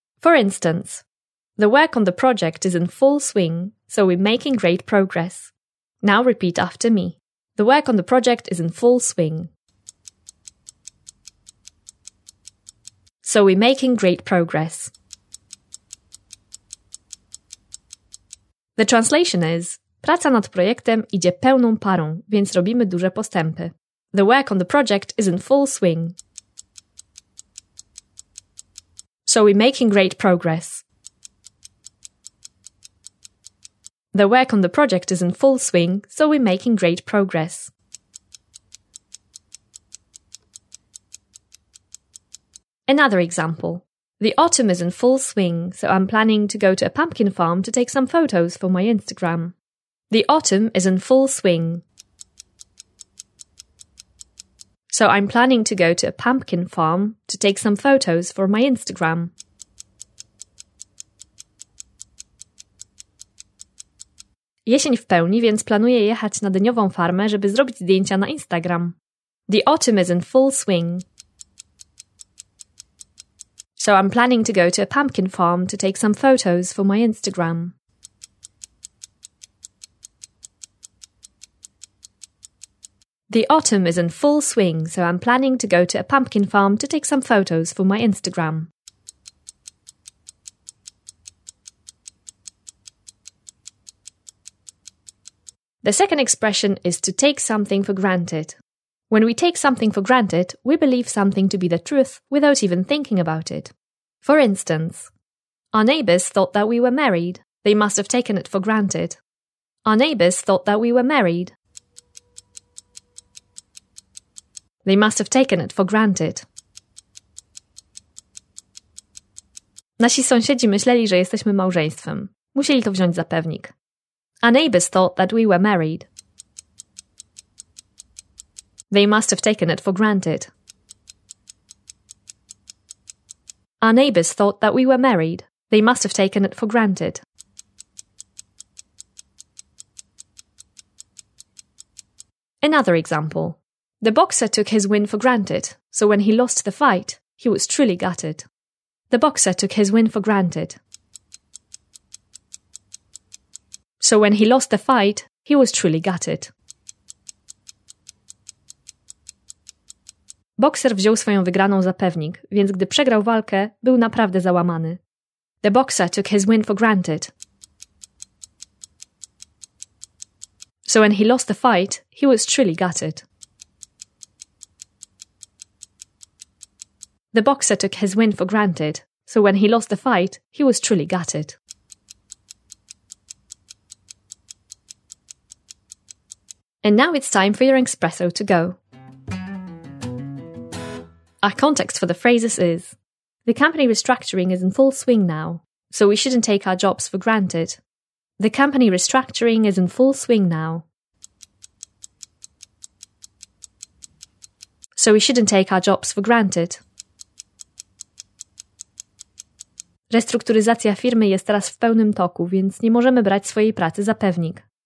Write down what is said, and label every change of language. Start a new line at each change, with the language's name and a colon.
English: For instance, the work on the project is in full swing, so we're making great progress. Now repeat after me. The work on the project is in full swing. So we're making great progress. The translation is:
Polish: praca nad projektem idzie pełną parą, więc robimy duże postępy.
English: The work on the project is in full swing. So we're making great progress. The work on the project is in full swing, so we're making great progress. Another example. The autumn is in full swing, so I'm planning to go to a pumpkin farm to take some photos for my Instagram. The autumn is in full swing. So I'm planning to go to a pumpkin farm to take some photos for my Instagram.
Polish: Jesień w pełni, więc planuję jechać na dyniową farmę, żeby zrobić zdjęcia na Instagram.
English: The autumn is in full swing. So I'm planning to go to a pumpkin farm to take some photos for my Instagram. The autumn is in full swing, so I'm planning to go to a pumpkin farm to take some photos for my Instagram. The second expression is to take something for granted. When we take something for granted, we believe something to be the truth without even thinking about it. For instance, our neighbors thought that we were married. They must have taken it for granted. Our neighbors thought that we were married. They must have taken it for granted.
Polish: Nasi sąsiedzi myśleli, że jesteśmy małżeństwem. Musieli to wziąć za pewnik.
English: Our neighbors thought that we were married. They must have taken it for granted. Our neighbors thought that we were married. They must have taken it for granted. Another example. The boxer took his win for granted, so when he lost the fight, he was truly gutted. The boxer took his win for granted. So when he lost the fight, he was truly gutted.
Polish: Bokser wziął swoją wygraną za pewnik, więc gdy przegrał walkę, był naprawdę załamany.
English: The boxer took his win for granted. So when he lost the fight, he was truly gutted. The boxer took his win for granted. So when he lost the fight, he was truly gutted. And now it's time for your espresso to go. Our context for the phrases is: the company restructuring is in full swing now, so we shouldn't take our jobs for granted. The company restructuring is in full swing now. So we shouldn't take our jobs for granted.
Polish: Restrukturyzacja firmy jest teraz w pełnym toku, więc nie możemy brać swojej pracy za pewnik.